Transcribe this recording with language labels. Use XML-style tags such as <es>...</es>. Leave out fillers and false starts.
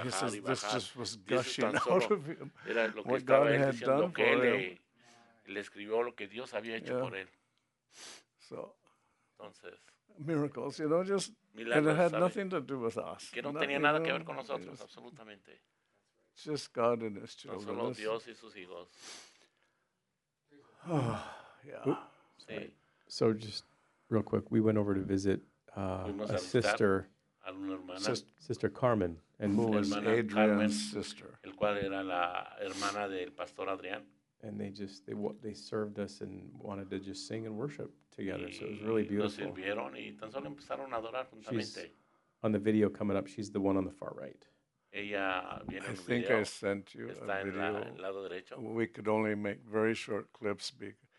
<en>He says this just was gushing out of him, what God had done for him.</en> <es>Le escribió lo que Dios había hecho por él.</es> <en>So,</en> <es>entonces,</es> <en>miracles, you know, just, milagros, and it had nothing to do with us.</en> <es>Que no tenía nada que ver con nosotros, absolutamente.</es> <en>Just God and his children.</en> <es>Solo Dios y sus hijos.</es> <en>Yeah. So just real quick, we went over to visit a sister, Sister Carmen, and who was Adrian's sister.</en> <es>El cual era la hermana del pastor Adrián.</es> <en>And they served us and wanted to just sing and worship together. So it was really beautiful.</en> <es>Nos sirvieron y tan solo empezaron a adorar juntamente.</es> <en>On the video coming up, she's the one on the far right.</en> <es>Ella viene</es> <en>I</en> <es>en</es> <en>think</en> <es>video.</es> <en>I sent you</en> <es>está</es> <en>a video.</en> <es>En el lado derecho.</es> <en>We could only make very short clips because.</en>